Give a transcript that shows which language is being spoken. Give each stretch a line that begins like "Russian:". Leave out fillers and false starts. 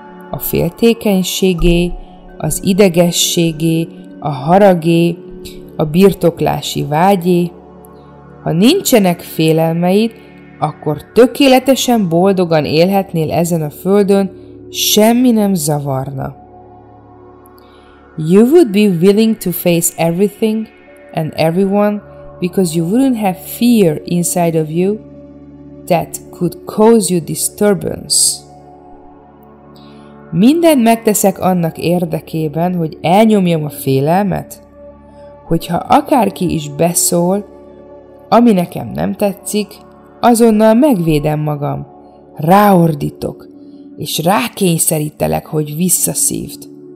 Hungarian: A féltékenységé, az idegességé, a haragé, a birtoklási vágyé. Ha nincsenek félelmeid, akkor tökéletesen boldogan élhetnél ezen a földön, semmi nem zavarna.
English: You would be willing to face everything and everyone because you wouldn't have fear inside of you that could cause you disturbance.
Hungarian: Minden megteszek annak érdekében, hogy elnyomjam a félelmet, hogyha akárki is beszól, ami nekem nem tetszik, azonnal megvédem magam, ráordítok, és rákényszerítelek, hogy visszaszívd.